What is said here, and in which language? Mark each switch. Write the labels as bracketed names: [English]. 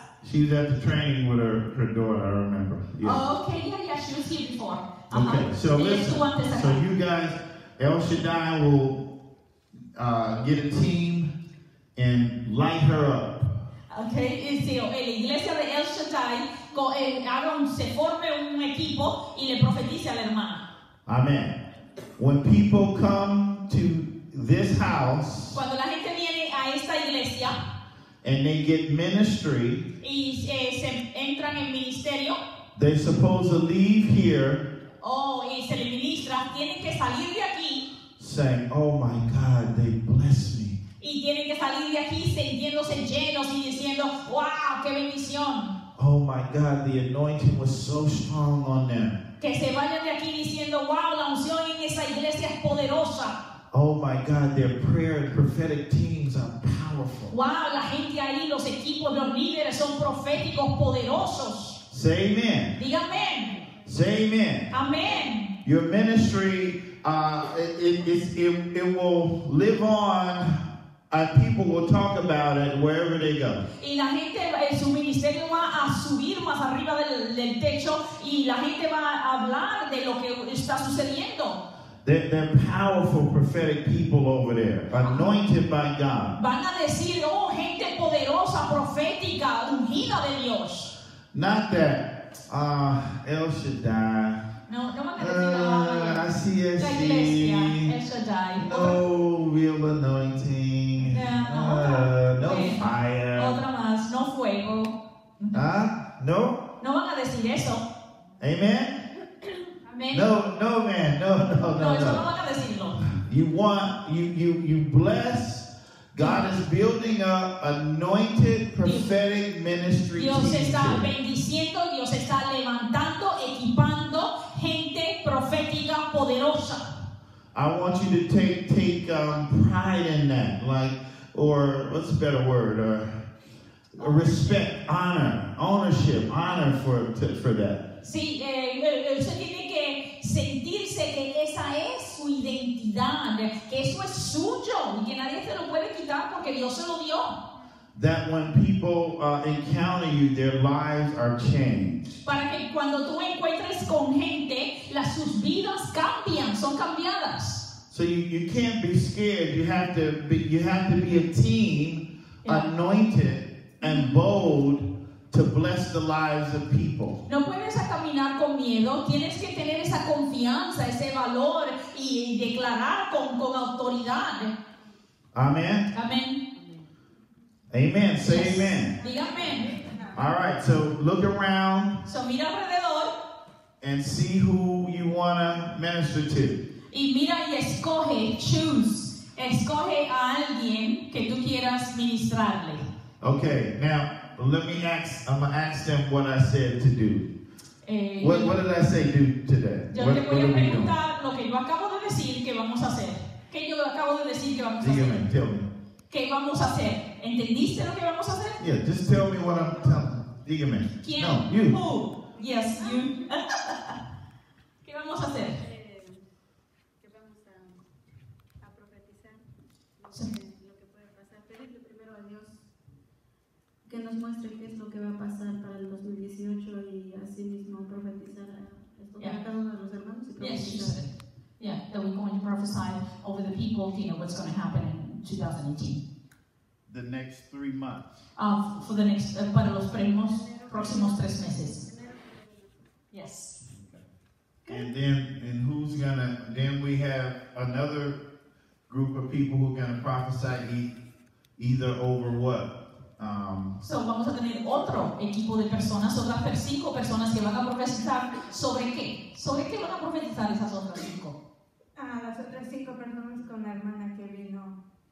[English] She was at the training with her daughter, I remember. Yeah. Oh, okay, yeah, she was here before. Uh-huh. Okay, so listen. So you guys, El Shaddai will get a team and light her up. [Spanish] Okay, so la iglesia de El Shaddai, Aaron se forme un equipo y le profetice a la hermana. [English] Amen. When people come to this house, [Spanish] cuando la gente viene a esta iglesia, [English] and they get ministry, [Spanish] y se entran en ministerio, [English] they're supposed to leave here, [Spanish] y se le ministra, tienen que salir de aquí, [English] saying, oh my God, they blessed me. [Spanish] Y tienen que salir de aquí sintiéndose llenos y diciendo, wow, qué bendición. [English] Oh my God, the anointing was so strong on them. [Spanish] Que se vayan de aquí diciendo, wow, la unción en esa iglesia es poderosa. [English] Oh my God, their prayer and prophetic teams are powerful. [Spanish] Wow, la gente ahí, los equipos, los líderes son proféticos, poderosos. [English] Say amen. [Spanish] Diga amén. [English] Say amen. Amen. Your ministry, it will live on. People will talk about it wherever they go. [Spanish] Y la gente, su ministerio va a subir más arriba del techo y la gente va a hablar de lo que está sucediendo. [English] They're powerful prophetic people over there, anointed by God. [Spanish] Van a decir, oh, gente poderosa, profética, ungida de Dios. [English] Not that El Shaddai. [Spanish] No, [English] I see [Spanish] la iglesia, El Shaddai. [English] No real anointing. No fire. [Spanish] Otra más, no fuego. No van a decir eso. Amen. [English] Amen. No, no, man. No, no, no. [Spanish] No, eso no van a decirlo. [English] You bless. God is building up anointed prophetic ministry. [Spanish] Dios está bendiciendo, Dios está levantando, equipando gente profética poderosa. [English] I want you to take pride in that, like, or what's a better word, or a respect, honor, ownership, honor for that. [Spanish] Sí, usted tiene que sentirse que esa es su identidad, que eso es suyo y que nadie se lo puede quitar porque Dios se lo dio. [English] That when people encounter you, their lives are changed. [Spanish] Para que cuando tú encuentres con gente, sus vidas cambian, son cambiadas. [English] So you can't be scared. You have to be a team, anointed and bold to bless the lives of people. [Spanish] No puedes caminar con miedo. Tienes que tener esa confianza, ese valor y declarar con autoridad. [English] Amen. Amen. Amen. Say yes. Amen. [Spanish] Dígame. [English] All right. So look around. [Spanish] So mira alrededor. [English] And see who you want to minister to. [Spanish] Y mira y escoge, choose. Escoge a alguien que tú quieras ministrarle. [English] Okay. Now, let me ask. I'm going to ask them what I said to do. What did I say do today? [Spanish] Yo te voy a preguntar lo que yo acabo de decir que vamos a hacer. Que yo acabo de decir que vamos a hacer. [English] Tell me. [Spanish] ¿Qué vamos a hacer? ¿Entendiste lo que vamos a hacer? [English] Yeah, just tell me what I'm telling. Dígame. [Spanish] ¿Quién? [English] No, you. Who? Yes, you. [Spanish] ¿Qué vamos a hacer? ¿Qué vamos a profetizar? Lo que puede pasar. Pedirle primero a Dios que nos muestre qué es lo que va a pasar para el 2018 y así mismo profetizar a cada uno de los hermanos. Y [English] yes, she said. Yeah, that we're going to prophesy over the people, you know, what's going to happen. 2018. The next 3 months. For the next, [Spanish] para los próximos 3 meses. Yes. [English] Okay. And who's gonna? Then we have another group of people who are gonna prophesy either over what? [Spanish] So vamos a tener otro equipo de personas, otras 5 personas que van a profetizar sobre qué? Sobre qué van a profetizar esas otras 5? Las otras 5 personas con la hermana que vino.